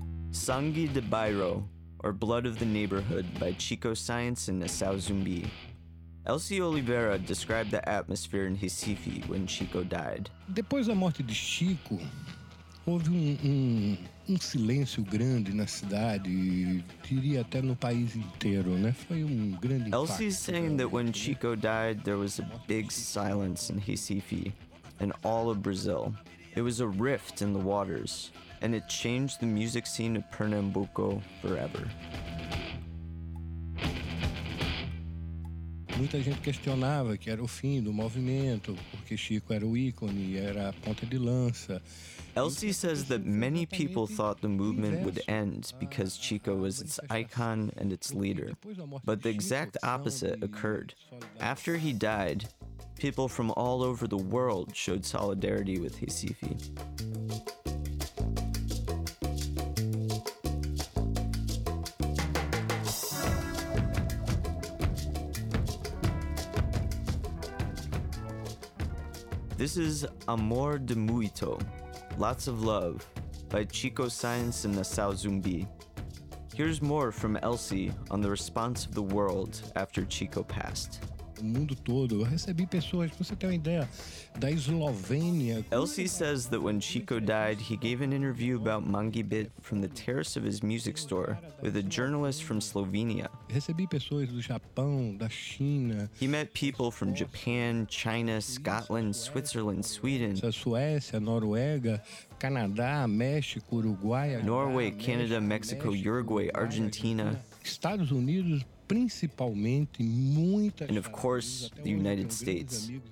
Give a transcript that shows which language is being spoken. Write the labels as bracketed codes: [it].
[en] Sangue de Bairro, or Blood of the Neighborhood, by Chico Science and Nassau Zumbi. Elcio Oliveira described the atmosphere in Recife when Chico died. [pt] Depois da morte de Chico, houve um silêncio grande na cidade, diria até no país inteiro, né? Foi grande impacto. [en] Elcio's saying that when Chico died, there was a big silence in Recife and all of Brazil. It was a rift in the waters, and it changed the music scene of Pernambuco forever. [pt] Muita gente questionava que era o fim do movimento, porque Chico era o ícone, era a ponta de lança. [en] Elsie says that many people thought the movement would end because Chico was its icon and its leader. But the exact opposite occurred. After he died, people from all over the world showed solidarity with Recife. This is Amor de Muito, Lots of Love, by Chico Science and Nassau Zumbi. Here's more from Elcio on the response of the world after Chico passed. [pt] O mundo todo, eu recebi pessoas, você tem uma ideia, da Eslovênia. [en] Elcio says that when Chico died, he gave an interview about Mangue Beat from the terrace of his music store with a journalist from Slovenia. [pt] Recebi pessoas do Japão, da China. [en] He met people from Japan, China, Scotland, Switzerland, Sweden. [pt] Suécia, Noruega, Canadá, México, Uruguai. [en] Norway, Canada, Mexico, Uruguay, Argentina. [pt] Estados Unidos. [en] And of course, the United States.